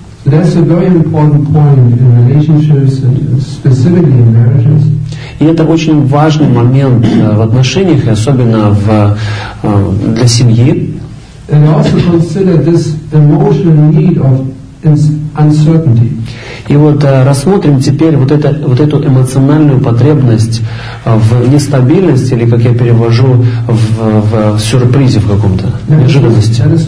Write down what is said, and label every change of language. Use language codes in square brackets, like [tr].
[en] That's a very important point in relationships, specifically in marriages. [ru] И это очень важный момент в отношениях, и особенно в, для семьи. [en] And also consider this emotional need of uncertainty. [ru] И вот рассмотрим теперь вот, это, вот эту эмоциональную потребность в нестабильности, или, как я перевожу, в сюрпризе в каком-то, неожиданности.